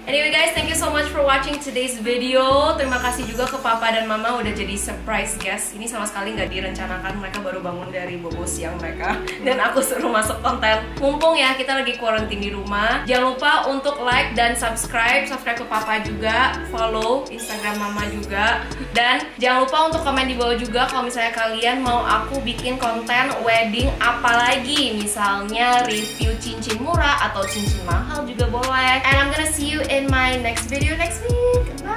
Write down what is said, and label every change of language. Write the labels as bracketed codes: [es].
[en] Anyway guys, thank you so much for watching today's video. [id] Terima kasih juga ke papa dan mama udah jadi surprise guest. Ini sama sekali gak direncanakan, mereka baru bangun dari bobo siang mereka. Dan aku suruh masuk konten. Mumpung ya, kita lagi quarantine di rumah. Jangan lupa untuk like dan subscribe. Subscribe ke papa juga. Follow Instagram mama juga. Dan jangan lupa untuk komen di bawah juga kalau misalnya kalian mau aku bikin konten wedding apalagi. Misalnya review cincin murah atau cincin mahal juga boleh. [en] And I'm gonna see you in my next video next week.